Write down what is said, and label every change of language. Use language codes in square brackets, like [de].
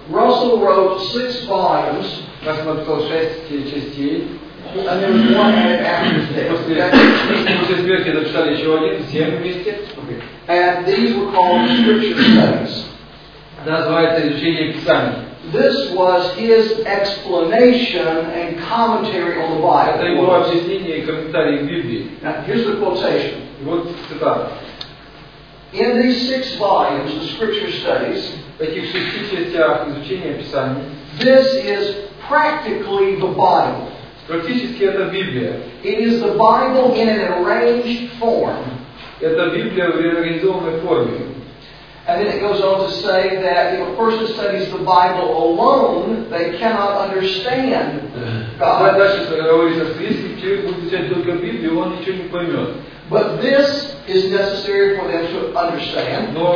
[en] Russell wrote 6 volumes. [ru] Рассел написал 6 частей. [en] And there was one after his death. [ru] После смерти дописали еще один, 7 вместе. [en] And these were called scripture studies. [ru] Называется изучение Писания. [en] This was his explanation and commentary on the Bible. [ru] Это его объяснение и комментарий к Библии. [en] Now, here's the quotation. [ru] Вот цитата. [en] In these 6 volumes of scripture studies, [ru] в этих 6 частях изучения Писания, [en] this is practically the Bible. [ru] Практически это Библия. [en] It is the Bible in an arranged form. [ru] Это Библия в реорганизованной форме. [en] And then it goes on to say that if a person studies the Bible alone, they cannot understand God. But this is necessary for them to understand.